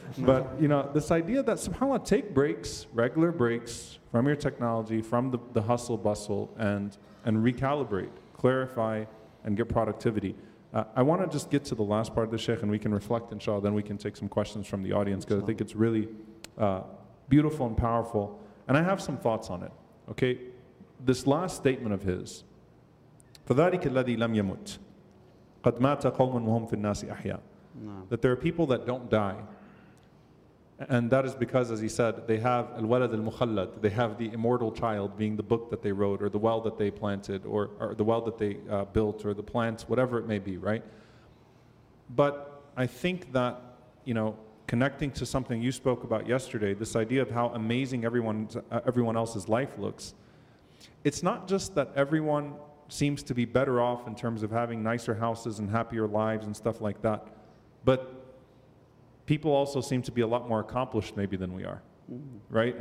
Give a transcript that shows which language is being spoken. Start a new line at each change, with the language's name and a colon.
English: But, you know, this idea that subhanAllah, take breaks, regular breaks from your technology, from the hustle bustle, and recalibrate, clarify, and get productivity. I want to just get to the last part of the Sheikh, and we can reflect, inshallah, then we can take some questions from the audience, because I think it's really beautiful and powerful. And I have some thoughts on it, okay? This last statement of his,
Arabic: فَذَٰلِكَ الَّذِي لَمْ يَمُتْ قَدْ مَاتَ قَوْمٌ وَهُمْ فِي النَّاسِ أَحْيَا.
English: That there are people that don't die. And that is because, as he said, they have
Arabic: الْوَلَدِ الْمُخَلَّدِ,
English: they have the immortal child being the book that they wrote, or the well that they planted, or the well that they built, or the plants, whatever it may be, right? But I think that, you know, connecting to something you spoke about yesterday, this idea of how amazing everyone else's life looks, it's not just that everyone seems to be better off in terms of having nicer houses and happier lives and stuff like that, but people also seem to be a lot more accomplished maybe than we are, mm-hmm. right?